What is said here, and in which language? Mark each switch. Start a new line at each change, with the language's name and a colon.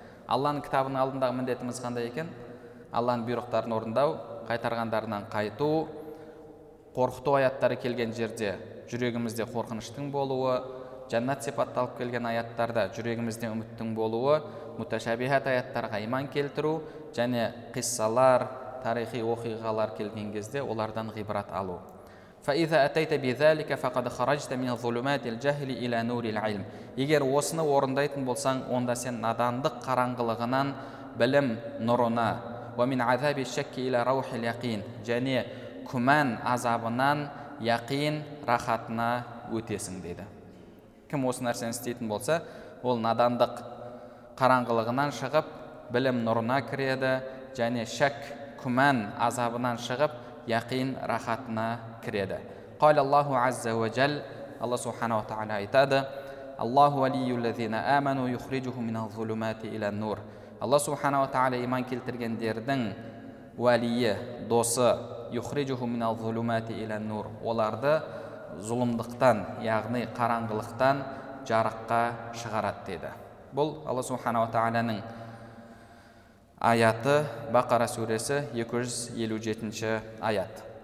Kazakh: Алланың кітабының алдындағы міндетіміз қандай екен? Алланың бұйрықтарын орындау, қайтарғандарынан қайту, қорқыту аяттары келген жерде жүрегімізде қорқыныштың болуы, жаннат сипатталып келген аяттарда жүрегімізде үміттің болуы, муташабихат аяттарға иман келтіру, және қиссалар, тарихи оқиғалар келген кезде олардан ғибрат алу.
Arabic: فإذا أتيت بذلك فقد خرجت من ظلمات الجهل إلى نور العلم.
Kazakh: Егер осыны орындайтын болсаң, онда сен надандық қараңғылығынан білім нұрына,
Arabic: ва мин азаби шакки ила рухи ль-яқин,
Kazakh: және күмән азабынан яқин рахатына өтесің деді. Кім осы нәрсені істейтін болса, ол надандық қараңғылығынан шығып білім нұрына кіреді, және шак күмән азабынан шығып яқин рахатына кіреді.
Arabic: قال الله عز وجل, الله سبحانه وتعالى
Kazakh: айтады:
Arabic: الله ولي الذين آمنوا يخرجهم من الظلمات إلى النور.
Kazakh: الله سبحانه وتعالى иман келтіргендердің уәлиі, досы,
Arabic: يخرجهم من الظلمات إلى النور,
Kazakh: оларды зұлымдықтан, яғни қараңғылықтан жарыққа шығарады деді. Бұл الله سبحانه وتعالى-ның аяты, Бақара сүресі 257 аят.